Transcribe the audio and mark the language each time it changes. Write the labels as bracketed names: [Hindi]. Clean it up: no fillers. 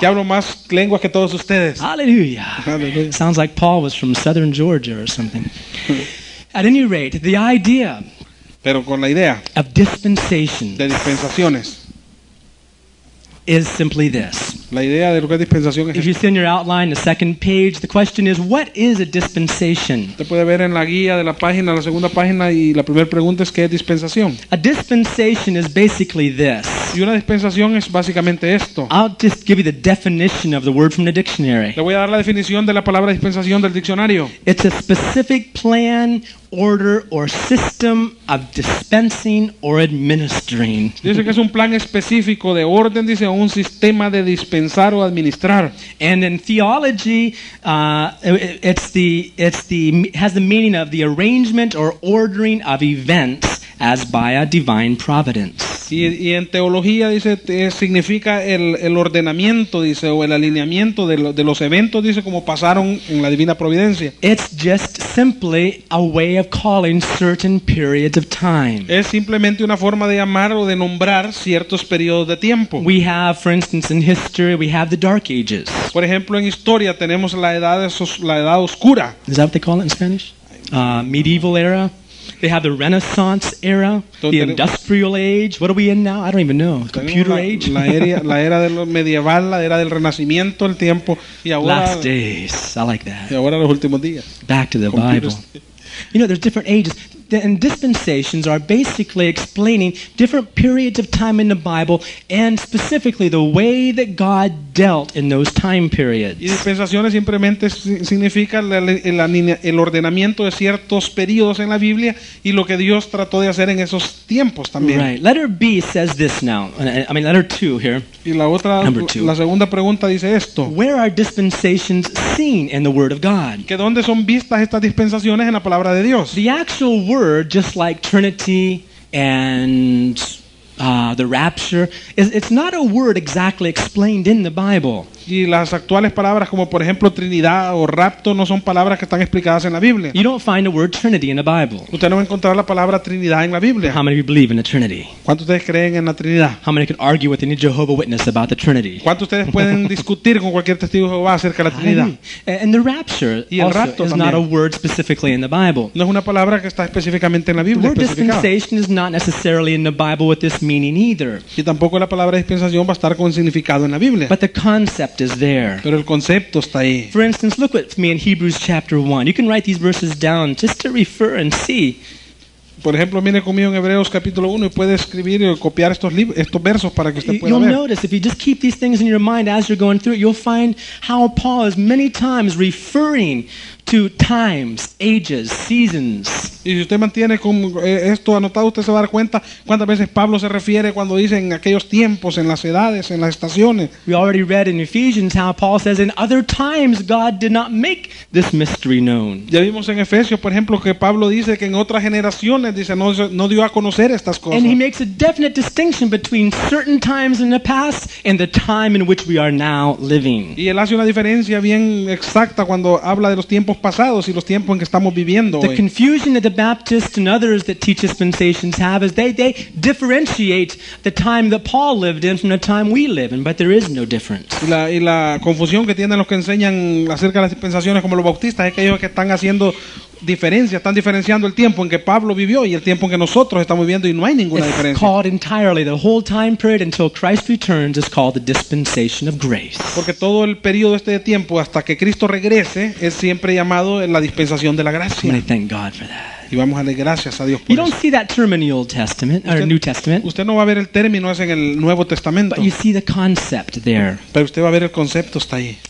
[Spanish] Que hablo más lenguas que todos ustedes. [English] Aleluya. Sounds like Paul was from Southern Georgia or something. At any rate, the idea. [Spanish] Pero con la idea [English] of dispensation, [Spanish] de dispensaciones, [English] is simply this. [Spanish] La idea de lo que es dispensación es. [English] If you see in your outline, the second page, the question is, what is a dispensation? [Spanish] Usted puede ver en la guía de la página, la segunda página, y la primera pregunta es qué es dispensación. [English] A dispensation is basically this. [Spanish] Y una dispensación es básicamente esto. [English] I'll just give you the definition of the word from the dictionary. [Spanish] Le voy a dar la definición de la palabra dispensación del diccionario. [English] It's a specific plan, order, or system of dispensing or administering. [Spanish] Dice que es un plan específico de orden, dice, o un sistema de dispensar o administrar. [English] And in theology, it has the meaning of the arrangement or ordering of events as by a divine providence. [Spanish] Y en teología dice significa el ordenamiento, dice, o el alineamiento de los eventos, dice, como pasaron en la divina providencia. [English] It's just simply a way of calling certain periods of time. [Spanish] Es simplemente una forma de llamar o de nombrar ciertos periodos de tiempo. [English] We have, for instance, in history, we have the Dark Ages. [Spanish] Por ejemplo, en historia tenemos la edad oscura. [English] Is that what they call it in Spanish? Medieval era. They have the Renaissance era, the Industrial age. What are we in now? I don't even know. Computer age. [Spanish] La era de lo medieval, la era del Renacimiento, el tiempo. Y ahora, [English] last days. I like that. [Spanish] Y ahora los últimos días. [English] Back to the Computers. Bible. You know, there's different ages. and dispensations are basically explaining different periods of time in the Bible and specifically the way that God dealt in those time periods. [Spanish] Y dispensaciones simplemente significa el ordenamiento de ciertos periodos en la Biblia y lo que Dios trató de hacer en esos tiempos también. [English] Right. Letter B says this now. I mean, letter two here. [Spanish] Y la otra, [English] number two. [Spanish] La segunda pregunta dice esto. [English] Where are dispensations seen in the Word of God? [Spanish] ¿Que dónde son vistas estas dispensaciones en la palabra de Dios? [English] The actual word, just like Trinity and the rapture, it's not a word exactly explained in the Bible. [Spanish] Y las actuales palabras como por ejemplo Trinidad o rapto no son palabras que están explicadas en la Biblia. [English] You don't find the word Trinity in the Bible. [Spanish] Usted no va a encontrar la palabra Trinidad en la Biblia. [English] How many of you believe in the Trinity? [Spanish] ¿Cuántos ustedes creen en la Trinidad? [English] How many can argue with any Jehovah Witness about the Trinity? [Spanish] ¿Cuántos ustedes pueden discutir con cualquier testigo de Jehová acerca de la Trinidad? [English] And the rapture also is not a word specifically in the Bible. [Spanish] No es una palabra que está específicamente en la Biblia. [English] The word dispensation is not necessarily in the Bible with this meaning either. [Spanish] Y tampoco la palabra dispensación va a estar con significado en la Biblia. [English] But the concept is there. [Spanish] Pero el concepto está ahí. [English] For instance, look with me in Hebrews chapter 1. You can write these verses down just to refer and see. [Spanish] Por ejemplo, mire conmigo en Hebreos capítulo 1 y puede escribir y copiar estos versos para que usted pueda [English] you'll [Spanish] ver. [English] You'll notice if you just keep these things in your mind as you're going through it, you'll find how Paul is many times referring to times, ages, seasons. [Spanish] Y si usted mantiene esto anotado, usted se va a dar cuenta cuántas veces Pablo se refiere cuando dice en aquellos tiempos, en las edades, en las estaciones. [English] We already read in Ephesians how Paul says in other times God did not make this mystery known. [Spanish] Ya vimos en Efesios, por ejemplo, que Pablo dice que en otras generaciones dice no dio a conocer estas cosas. [English] And he makes a definite distinction between certain times in the past and the time in which we are now living. [Spanish] Y él hace una diferencia bien exacta cuando habla de los tiempos pasados y los tiempos en que estamos viviendo [English] the [Spanish] hoy. [English] Confusion that the Baptists and others that teach dispensations have is they differentiate the time that Paul lived in from the time we live in, but there is no difference. [Spanish] Y la confusión que tienen los que enseñan acerca de las dispensaciones como los bautistas es que ellos que están haciendo diferencia, están diferenciando el tiempo en que Pablo vivió y el tiempo en que nosotros estamos viviendo y no hay ninguna diferencia. [English] It's called entirely the whole time period until Christ returns is called the dispensation of grace. [Spanish] Porque todo el periodo este de tiempo hasta que Cristo regrese es siempre llamado la dispensación de la gracia. [English] And I thank God for that. [Spanish] Y vamos a darle gracias a Dios por [English] you don't see that term in the Old Testament or New Testament. [Spanish] Usted no va a ver el término es en el Nuevo Testamento. [English] But you see the concept there. [Spanish] Pero usted va a ver el concepto está ahí.